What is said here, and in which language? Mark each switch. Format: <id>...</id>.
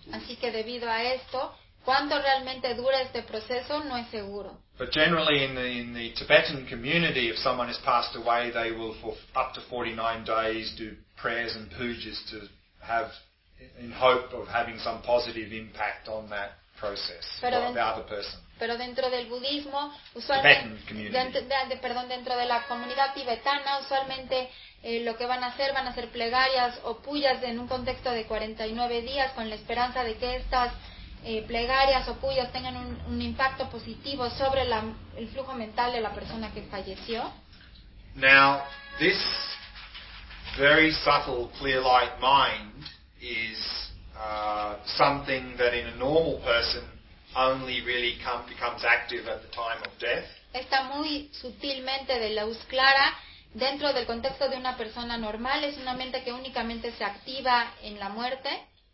<es>Así que debido a esto, ¿cuánto realmente dura este proceso? No es seguro.</es> <en>But generally in the Tibetan community, if someone has passed away, they will for up to 49 days do prayers and pujas to have, in hope of having some positive impact on that process</en> <es>pero</es> <en>by the other person.</en> <es>Pero dentro del budismo, usualmente, dentro de la comunidad tibetana, usualmente lo que van a hacer plegarias o pujas en un contexto de 49 días con la esperanza de que estas plegarias o pujas tengan un impacto positivo sobre el flujo mental de la persona que falleció.</es> <en>Now, this very subtle clear light mind is something that in a normal person only really becomes active at the time of death.</en> <es>Esta muy sutilmente de luz clara dentro del contexto de una persona normal es una mente que únicamente se activa en la muerte.</es>